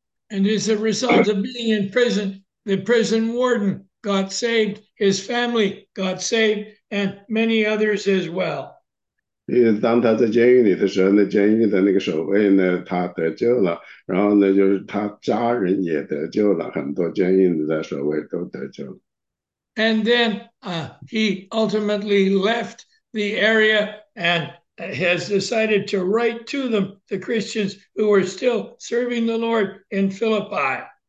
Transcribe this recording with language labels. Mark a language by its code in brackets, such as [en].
[en] And as a result of being in prison, the prison warden got saved, his family got saved, and many others as well. [zh] 因为当他在监狱里的时候，那监狱的那个守卫呢，他得救了，然后呢，就是他家人也得救了，很多监狱的守卫都得救了。 [en] And then he ultimately left the area and has decided to write to them, the Christians who were still serving the Lord in Philippi.